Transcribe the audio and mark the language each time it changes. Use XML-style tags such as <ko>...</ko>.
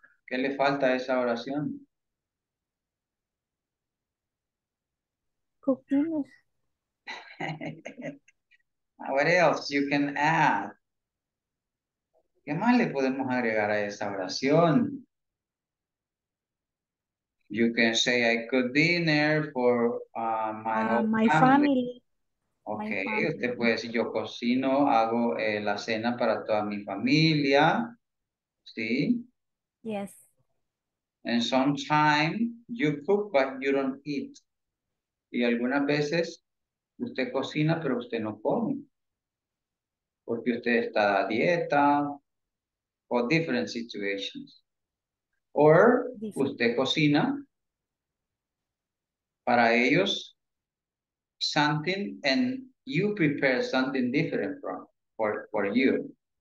<es>¿Qué le falta a esa oración?</es> <en>Cook dinner. What else you can add?</en> <es>¿Qué más le podemos agregar a esa oración?</es> <en>You can say I cook dinner for my family. Okay, my family.</en> <es>Usted puede decir yo cocino, hago la cena para toda mi familia. ¿Sí?</es> <en>Yes. And sometimes you cook but you don't eat.</en> <es>Y algunas veces usted cocina pero usted no come. Porque usted está a dieta.</es> <en>For different situations. Or</en> <es>usted cocina para ellos</es> <en>something and you prepare something different for you.</en>